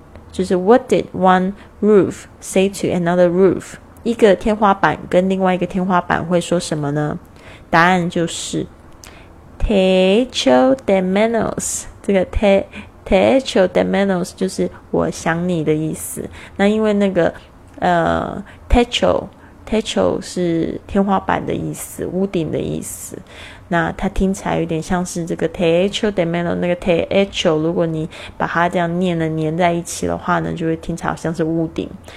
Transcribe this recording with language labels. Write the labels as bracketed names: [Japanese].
[English] 就是 What did one roof say to another roof? [Chinese] 一个天花板跟另外一个天花板会说什么呢？ [Spanish] 答案就是 Techo de menos。 [Chinese] 这个 Techo de menos 就是我想你的意思。那因为那个Techo 是天花板的意思，屋顶的意思，那它听起来有点像是这个 techo de menos，那个 techo 如果你把它这样念了黏在一起的话呢，就会听起来好像是屋顶。